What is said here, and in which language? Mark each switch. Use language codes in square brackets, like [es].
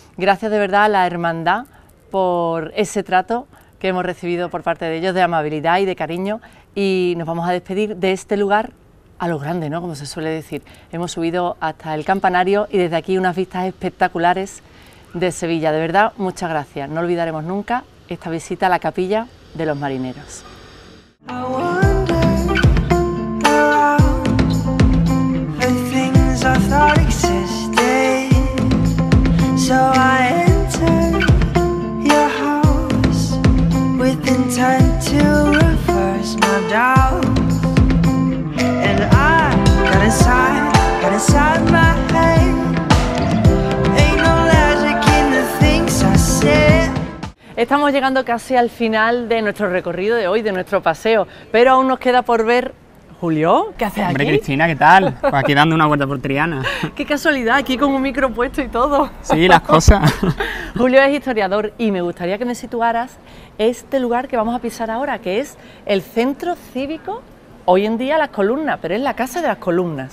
[es] Gracias de verdad a la hermandad por ese trato que hemos recibido por parte de ellos, de amabilidad y de cariño, y nos vamos a despedir de este lugar a lo grande, ¿no? Como se suele decir. Hemos subido hasta el campanario y desde aquí unas vistas espectaculares de Sevilla. De verdad, muchas gracias. No olvidaremos nunca esta visita a la capilla de los Marineros. [en] I wandered around the things I thought existed, so I entered your house with intent to reverse my doubts, and I got inside my head. Ain't no logic in the things I said. [es] Estamos llegando casi al final de nuestro recorrido de hoy, de nuestro paseo, pero aún nos queda por ver... Julio, ¿qué haces aquí? Hombre, Cristina, ¿qué tal? Pues aquí dando una vuelta por Triana. ¡Qué casualidad! Aquí con un micro puesto y todo. Sí, las cosas. Julio es historiador y me gustaría que me situaras este lugar que vamos a pisar ahora, que es el Centro Cívico, hoy en día Las Columnas, pero es la Casa de las Columnas.